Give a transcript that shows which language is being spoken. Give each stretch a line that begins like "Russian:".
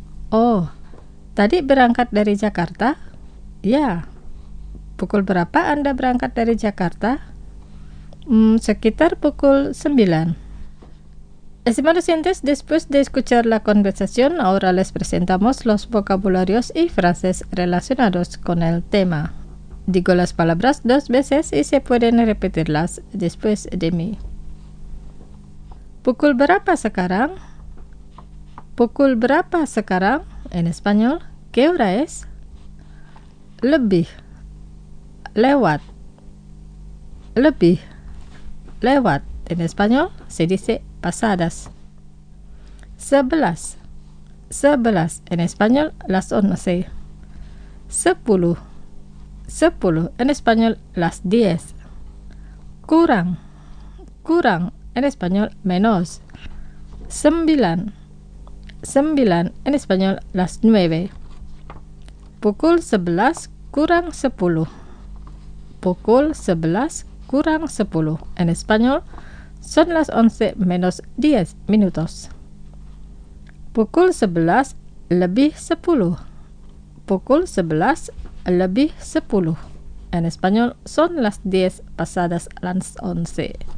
Indonesian: Oh, tadi berangkat dari Jakarta? Ya. Pukul berapa Anda berangkat dari Jakarta? Sekitar pukul 9.
Spanish: Estimados oyentes, después de escuchar la conversación, ahora les presentamos los vocabularios y frases relacionados con el tema. Digo las palabras dos veces y se pueden repetirlas después de mí.
Indonesian: ¿Pukul berapa sekarang? ¿Pukul berapa sekarang?
Spanish: En español, ¿qué hora es?
Indonesian: Lebih. Lewat. Lebih. Lewat.
Spanish: En español, se dice pasadas.
Indonesian: Sebelas. Sebelas.
Spanish: En español, las 11.
Indonesian: Sepuluh. Sepuluh.
Spanish: En español, las 10.
Indonesian: Kurang. Kurang.
Spanish: En español, menos.
Indonesian: Sembilan. Sembilan.
Spanish: En español, las 9.
Indonesian: Pukul sebelas kurang sepuluh. Pukul sebelas kurang sepuluh.
Spanish: En español, son las 11 menos 10 minutos.
Indonesian: Pukul 11 lebih 10. Pukul 11 lebih 10.
Spanish: En español, son las 10 pasadas las 11.